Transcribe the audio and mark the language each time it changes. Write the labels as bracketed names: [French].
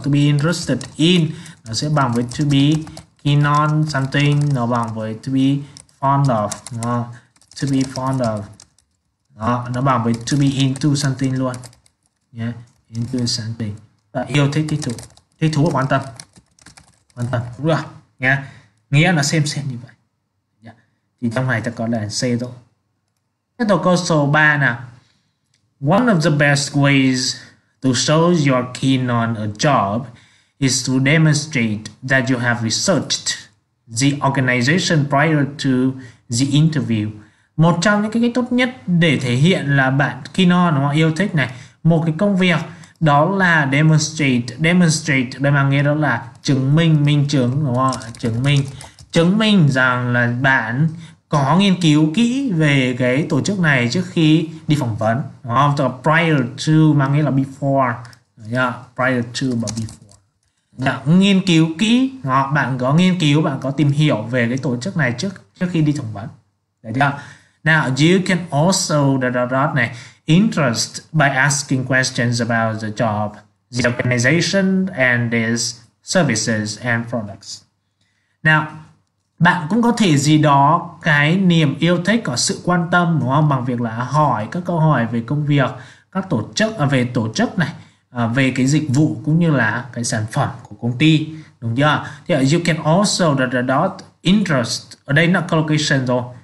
[English] To be interested in [Vietnamese] nó sẽ bằng với [English] to be keen on something, [Vietnamese] nó bằng với [English] to be fond of, to be fond of đó, nó bằng với to be into something [Vietnamese] luôn nhé. [English] Into something [Vietnamese] là yêu thích, thích thú, thích thú và quan tâm đúng rồi nha, nghĩa là xem như vậy. Thì trong này ta có là C rồi. Tiếp tục câu số 3 nào. [English] One of the best ways to show you're keen on a job is to demonstrate that you have researched the organization prior to the interview. [Vietnamese] Một trong những cái tốt nhất để thể hiện là bạn [English] keen on, [Vietnamese] đúng không? Yêu thích này một cái công việc, đó là demonstrate đây mà nghĩa đó là chứng minh, minh chứng, đúng không? Chứng minh rằng là bạn có nghiên cứu kỹ về cái tổ chức này trước khi đi phỏng vấn, đúng không? [English] So prior to [Vietnamese] mà nghĩa là [English] before, prior to mà before. [Vietnamese] Bạn nghiên cứu kỹ, đúng không? Bạn có nghiên cứu, bạn có tìm hiểu về cái tổ chức này trước trước khi đi phỏng vấn. Được chưa? [English] Now you can also the [Vietnamese] này [English] interest by asking questions about the job, the organization and its services and products. [Vietnamese] Now, bạn cũng có thể gì đó cái niềm yêu thích có sự quan tâm, đúng không? Bằng việc là hỏi các câu hỏi về công việc, các về tổ chức này, về cái dịch vụ cũng như là cái sản phẩm của công ty, đúng chưa? Thì [English] you can also interest [Vietnamese] ở đây là collocation rồi.